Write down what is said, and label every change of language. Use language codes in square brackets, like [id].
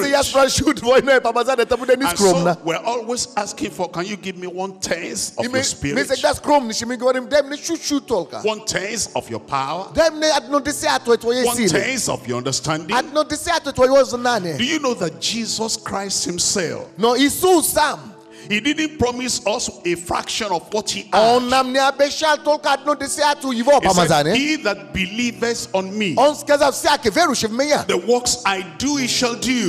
[ru] Если я спрошу твоего папа за это будет нескромно. [en] So we're always asking for, can you give me one tenth of your spirit? [ru] Мы всегда скромны, что мы говорим, дай мне чуть-чуть только. [en] One tenth of your power. [ru] Дай мне одно десятое твоей силы. [en] One tenth of your understanding. [ru] Одно десятое твоего знания. [en] Do you know that Jesus Christ Himself? [ru] Но Иисус сам. [en] He didn't promise us a fraction of what he had. He said, he that believes on me, the works I do he shall do.